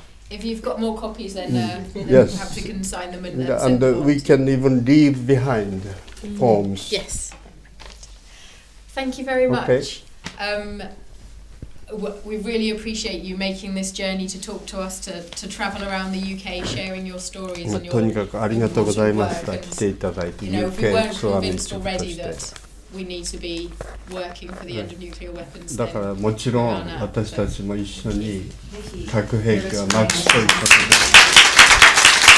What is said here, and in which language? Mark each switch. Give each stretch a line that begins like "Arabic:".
English: If you've got more copies, then yes, perhaps we can sign them in there. And we can even leave behind forms. Yes. Thank you very much. Okay. We really appreciate you making this journey to talk to us, to travel around the UK, sharing your stories and your work.
Japanese: とにかくありがとうございました。来ていただいて、UK ツアーに参加して。
English: You know, if we weren't convinced already that we need to be working for the end of nuclear weapons, then
Japanese: だからもちろん私たちも一緒に核兵器をなくすということです。